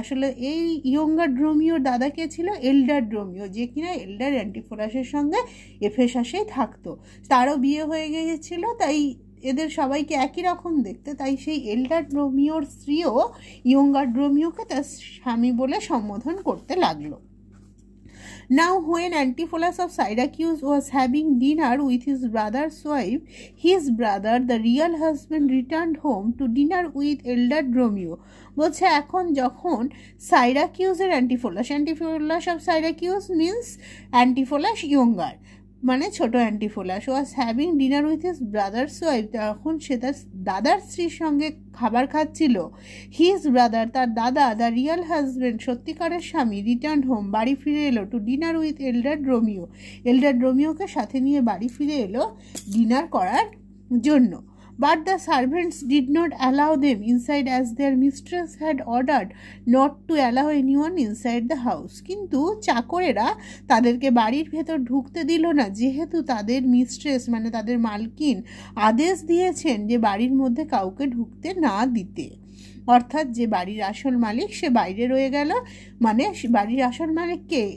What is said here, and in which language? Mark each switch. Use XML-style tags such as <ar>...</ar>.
<bn>আসলে এই ইয়ঙ্গার ড্রোমিওর দাদা কে ছিল? এল্ডার ড্রোমিও, যে কিনা এল্ডার অ্যান্টিফোরাসের সঙ্গে এফেসাসেই থাকতো, তারও বিয়ে হয়ে গিয়েছিলো, তাই এদের সবাইকে একই রকম দেখতে, তাই সেই এল্ডার ড্রোমিওর স্ত্রীও ইয়ঙ্গার ড্রোমিওকে তার স্বামী বলে সম্বোধন করতে লাগলো।</bn> <en>Now when Antipholus of Syracuse was having dinner with his brother's wife, his brother, the real husband, returned home to dinner with Elder Dromio.</en> <bn>বলছে এখন যখন সাইরাকিউজের Antipholus of Syracuse means Antipholus younger মানে ছোট Antipholus</bn> <en>was having dinner with his brother's wife,</en> <bn>তখন সে তার দাদার স্ত্রীর সঙ্গে খাবার খাচ্ছিল, হিজ ব্রাদার তার দাদা,</bn> <en>the real husband</en> <bn>সত্যিকারের স্বামী,</bn> <en>return home</en> <bn>বাড়ি ফিরে এলো টু ডিনার উইথ এল্ডার রোমিও, এল্ডার রোমিওকে সাথে নিয়ে বাড়ি ফিরে এলো ডিনার করার জন্য।</bn> <en>But the servants did not allow them inside as their mistress had ordered not to allow anyone inside the house.</en> <bn>কিন্তু চাকরেরা তাদেরকে বাড়ির ভেতর ঢুকতে দিল না, যেহেতু তাদের মিস্ট্রেস মানে তাদের মালকিন আদেশ দিয়েছেন যে বাড়ির মধ্যে কাউকে ঢুকতে না দিতে। অর্থাৎ যে বাড়ির আসল মালিক সে বাইরে রয়ে গেল, মানে বাড়ির আসল মালিক কে?</bn>